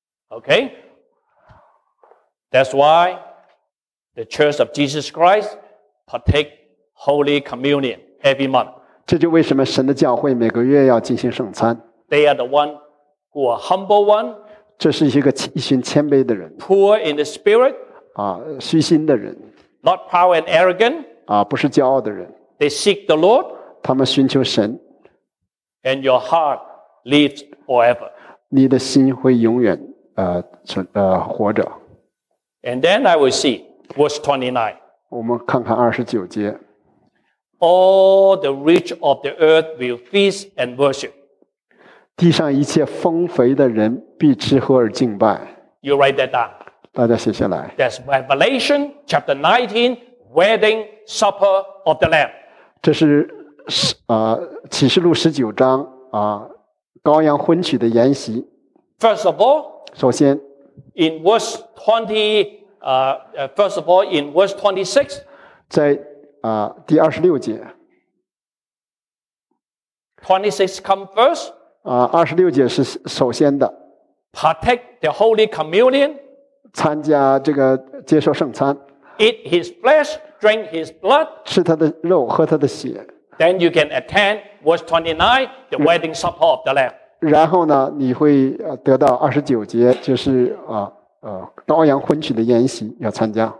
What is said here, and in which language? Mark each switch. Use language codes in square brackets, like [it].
[en] Okay, that's why the Church of Jesus Christ partake Holy Communion every month. [zh] 这就为什么神的教会每个月要进行圣餐。 [en] They are the one who are humble one. [zh] 这是一群谦卑的人。 [en] Poor in the spirit. [zh] 啊，虚心的人。 [en] Not proud and arrogant. [zh] 啊，不是骄傲的人。 [en] They seek the Lord. [zh] 他们寻求神。 [en] And your heart lives forever. [zh] 你的心会永远。活着。 [en] And then I will see verse 29. [zh] 我们看看29节。 [en] All the rich of the earth will feast and worship. [zh] 地上一切丰肥的人必吃喝而敬拜。 [en] You write that down. [zh] 大家写下来。 [en] That's Revelation chapter 19, wedding supper of the Lamb. [zh] 这是启示录19章羔羊婚娶的筵席。 [en] First of all, [zh] 首先 [en] in verse 20, first of all, in verse 26, [zh] 在第二十六节 [en] 26 come first, [zh] 二十六节是首先的 [en] partake the Holy Communion, [zh] 参加这个接受圣餐 [en] eat his flesh, drink his blood, [zh] 吃他的肉喝他的血 [en] then you can attend verse 29, the wedding supper of the Lamb. [zh] 然后呢，你会得到29节，就是羔羊婚娶的筵席要参加。